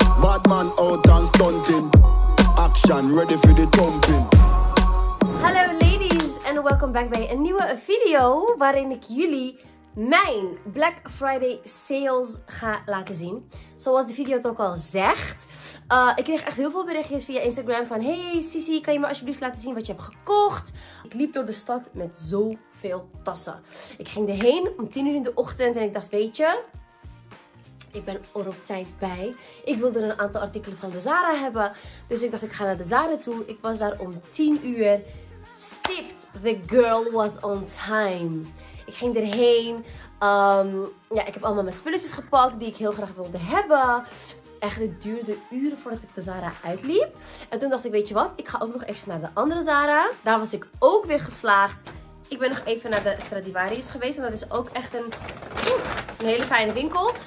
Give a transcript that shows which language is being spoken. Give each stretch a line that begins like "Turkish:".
English: bad man out and stunting. Action, ready for the thumping.
Dutch: Hello ladies and welcome back bij een nieuwe video waarin ik jullie mijn Black Friday sales ga laten zien. Zoals de video het ook al zegt. Ik kreeg echt heel veel berichtjes via Instagram van hey Sissy, kan je me alsjeblieft laten zien wat je hebt gekocht? Ik liep door de stad met zoveel tassen. Ik ging erheen om 10 uur in de ochtend en ik dacht, weet je, ik ben er op tijd bij. Ik wilde een aantal artikelen van de Zara hebben. Dus ik dacht, ik ga naar de Zara toe. Ik was daar om 10 uur.
English: Stipt, the girl was on time.
Dutch: Ik ging erheen. Ik heb allemaal mijn spulletjes gepakt die ik heel graag wilde hebben. Echt, het duurde uren voordat ik de Zara uitliep. En toen dacht ik, weet je wat, ik ga ook nog even naar de andere Zara. Daar was ik ook weer geslaagd. Ik ben nog even naar de Stradivarius geweest. En dat is ook echt een hele fijne winkel.